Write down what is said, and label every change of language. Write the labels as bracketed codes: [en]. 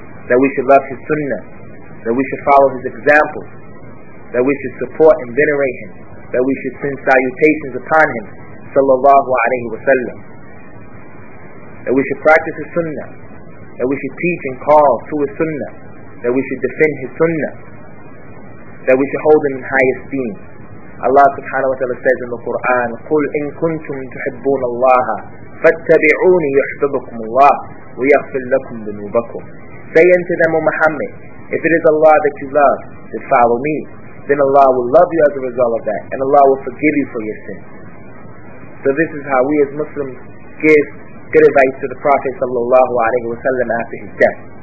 [en] That we should love his sunnah, that we should follow his example, that we should support and venerate him, that we should send salutations upon him sallallahu alayhi wa sallam, that we should practice his sunnah, that we should teach and call to his sunnah, that we should defend his sunnah, that we should hold him in high esteem. [ar] Allah subhanahu wa ta'ala says in the Quran, قُلْ إِن كُنْتُمْ تُحِبُّونَ اللَّهَ فَاتَّبِعُونِ يُحْبِبُكُمُ اللَّهُ وَيَغْفِرْ لَكُمْ ذُنُوبَكُمْ. [en] Say unto them, O Muhammad, if it is Allah that you love, then follow me. Then Allah will love you as a result of that, and Allah will forgive you for your sins. So this is how we as Muslims give good advice to the Prophet sallallahu alayhi wa sallam after his death.